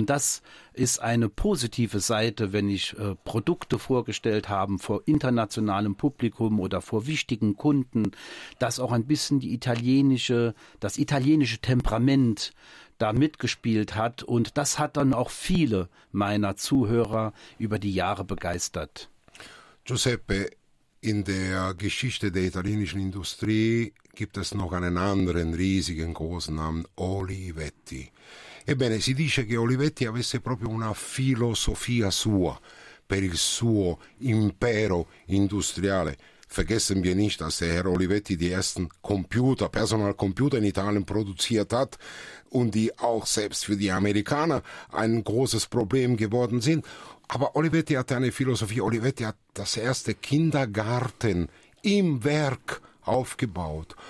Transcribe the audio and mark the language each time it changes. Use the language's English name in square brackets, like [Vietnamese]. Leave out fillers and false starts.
[German] Und das ist eine positive Seite, wenn ich Produkte vorgestellt habe vor internationalem Publikum oder vor wichtigen Kunden, dass auch ein bisschen das italienische Temperament da mitgespielt hat. Und das hat dann auch viele meiner Zuhörer über die Jahre begeistert. Giuseppe, in der Geschichte der italienischen Industrie gibt es noch einen anderen riesigen großen Namen, Olivetti. [Italian] Ebbene, si dice che Olivetti avesse proprio una filosofia sua per il suo impero industriale. [German] Vergessen wir nicht, dass der Herr Olivetti die ersten Computer, Personal Computer in Italien produziert hat und die auch selbst für die Amerikaner ein großes Problem geworden sind. Aber Olivetti hatte eine Philosophie. Olivetti hat das erste Kindergarten im Werk aufgebaut.